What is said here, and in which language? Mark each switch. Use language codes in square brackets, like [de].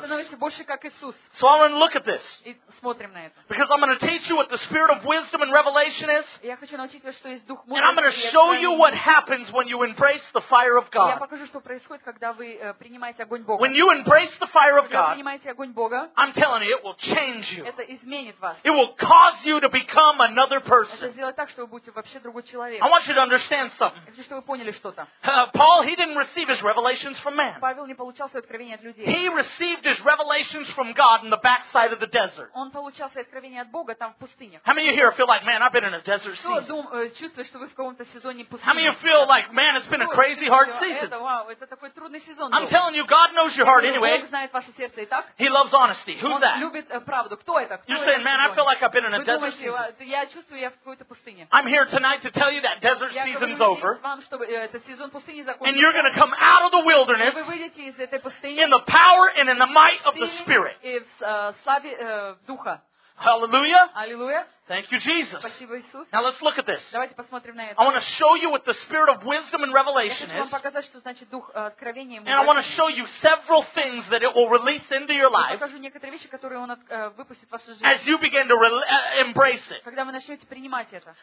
[en] So I'm going to look at this because I'm going to teach you what the spirit of wisdom and revelation is, and I'm going to show you what happens when you embrace the fire of God. When you embrace the fire of God, I'm telling you, it will change you. It will cause you to become another person. [ru] какой-то вообще другой человек. [en] I want you to understand something. [ru] Хочу, чтобы вы поняли что-то. [en] Paul, he didn't receive his revelations from man. [ru] Павел не получал свои откровения от людей. [en] He received his revelations from God in the backside of the desert. [ru] Он получал свои откровения от Бога там в пустыне. [en] How many of you here feel like, man, I've been in a desert season? [ru] Кто чувствует, что вы в каком-то сезоне пустыни? [en] How many of you feel like, man, it's been a crazy hard season? [ru] Это, вау, это такой трудный сезон. [en] I'm telling you, God knows your heart anyway. [ru] Бог знает ваше сердце и так. [en] He loves honesty. Who's [ru] Он [en] that? [ru] Он любит правду. Кто это? Кто [en] You're saying, man, I feel like I've been in a desert season. [ru] Я чувствую, я в какой-то пустыне. [en] I'm here tonight to tell you that desert season's over. [ru] Вам, чтобы этот сезон пустыни закончился. [en] And you're going to come out of the wilderness. [ru] Вы выйдете из этой пустыни. [en] In the power and in the might of the Spirit. [ru] И в славе духа. [en] Hallelujah. Hallelujah. Thank you, Jesus. [ru] Спасибо, Иисус. [en] Now let's look at this. [ru] Давайте посмотрим на это. [en] I want to show you what the spirit of wisdom and revelation is. [ru] Я хочу вам показать, что значит дух откровения. [en] And I want to show you several things that it will release into your life. [ru] Я покажу некоторые вещи, которые он выпустит в вашу жизнь. [en] As you begin to embrace it. [ru] Когда вы начнете принимать это.